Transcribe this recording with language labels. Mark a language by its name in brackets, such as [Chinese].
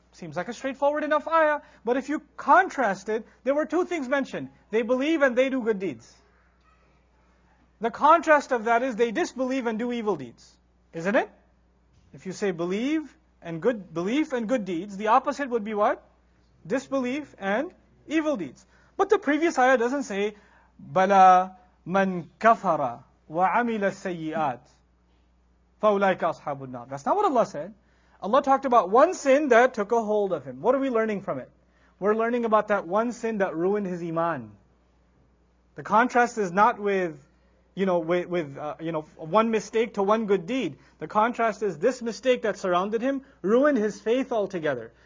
[English] Seems like a straightforward enough ayah. But if you contrast it, there were two things mentioned. They believe and they do good deeds. The contrast of that is they disbelieve and do evil deeds. Isn't it? If you say belief and good deeds, the opposite would be what? Disbelief and evil deeds. But the previous ayah doesn't say, [Arabic] بَلَا مَنْ كَفَرَ وَعَمِلَ السَّيِّئَاتِ فَأُولَئِكَ أَصْحَابُ النَّارِ. [English] That's not what Allah said. Allah talked about one sin that took a hold of him. What are we learning from it? We're learning about that one sin that ruined his iman. The contrast is not with one mistake to one good deed. The contrast is this mistake that surrounded him ruined his faith altogether.